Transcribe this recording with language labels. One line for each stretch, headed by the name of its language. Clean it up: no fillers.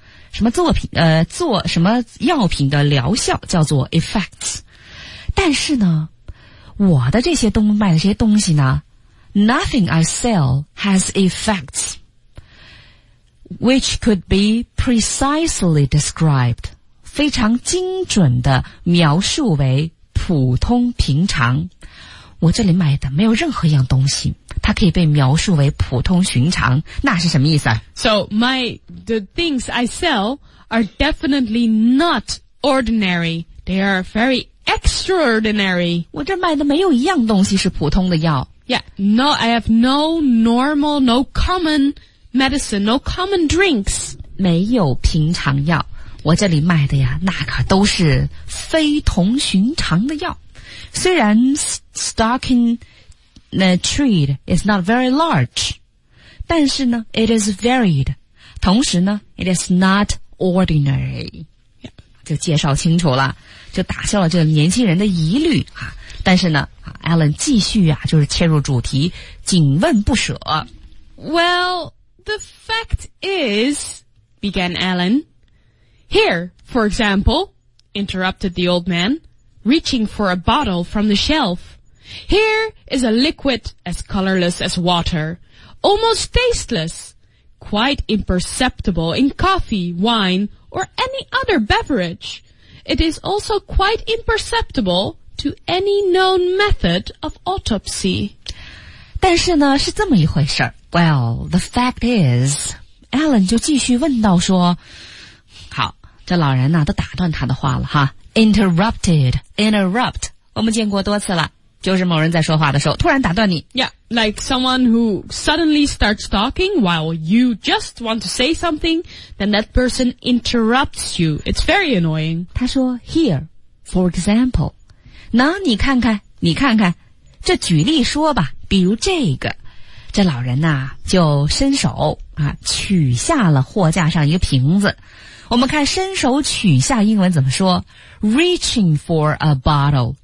Chinese: 什么作品，做什么药品的疗效叫做 effects. 但是呢，我的这些东，卖的这些东西呢，
English: nothing I sell has effects, which could be precisely described.
Chinese: 非常精准的描述为普通平常。我这里买的没有任何一样东西它可以被描述为普通寻常那是什么意思啊
English: So the things I sell are definitely not ordinary. They are very extraordinary.
Chinese: 我这买的没有一样东西是普通的药
English: Yeah, no, I have no normal, no common medicine, no common drinks.
Chinese: 没有平常药我这里卖的呀那可都是非同寻常的药虽然
English: stock in trade is not very large,
Chinese: 但是呢
English: it is varied,
Chinese: 同时呢
English: it is not ordinary、 yeah.
Chinese: 就介绍清楚了，就打消了这个年轻人的疑虑、啊、但是呢 Alan 继续啊，就是切入主题，紧问不舍。
English: Well, the fact is, began Alan, here, for example, interrupted the old man, reaching for a bottle from the shelf. Here is a liquid as colorless as water, almost tasteless, quite imperceptible in coffee, wine, or any other beverage. It is also quite imperceptible to any known method of autopsy.
Chinese: 但是呢，是这么一回事。
English: Well, the fact is,
Chinese: Alan 就继续问道说，好，这老人呢都打断他的话了哈。 Interrupt, 我们见过多次了，就是某人在说话的时候突然打断你。
English: Yeah, like someone who suddenly starts talking while you just want to say something, then that person interrupts you. It's very annoying.
Chinese: 他说
English: here, for example.
Chinese: 那你看看，你看看，这举例说吧，比如这个，这老人呐、啊、就伸手啊取下了货架上一个瓶子。我们看伸手取下英文怎么说 ？
English: Reaching for a bottle.